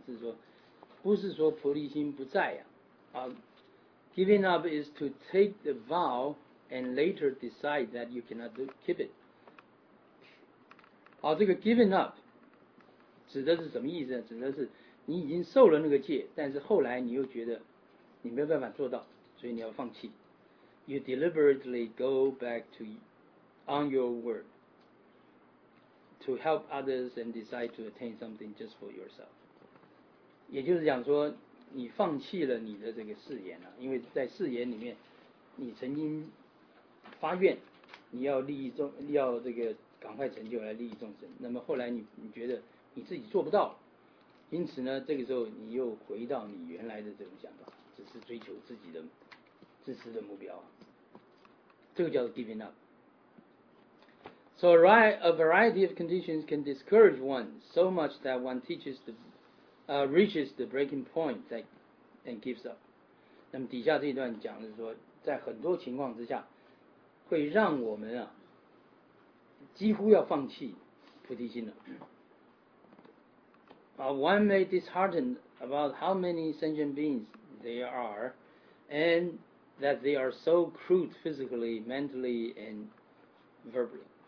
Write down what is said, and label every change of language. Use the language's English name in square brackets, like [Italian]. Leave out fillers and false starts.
[Chinese] 是说不是说菩提心不在啊？ [English] 啊 ，giving up is to take the vow and later decide that you cannot do, keep it。 [Chinese] 好，这个 giving up 指的是什么意思呢？指的是你已经受了那个戒，但是后来你又觉得你没有办法做到，所以你要放弃。 [English] You deliberately go back to on your word. To help others and decide to attain something just for yourself， [Chinese] 也就是讲说，你放弃了你的这个誓言了、啊，因为在誓言里面，你曾经发愿，你要利益众，要这个赶快成就来利益众生。那么后来你觉得你自己做不到，因此呢，这个时候你又回到你原来的这种想法，只是追求自己的自私的目标、啊，这个叫做 giving up。 [English] So a variety of conditions can discourage one so much that one reaches the breaking point and gives up. [Chinese] 那么底下这一段讲的是说，在很多情况之下，会让我们啊几乎要放弃菩提心了。 [English] One may dishearten about how many sentient beings there are, and that they are so crude physically, mentally, and verbally.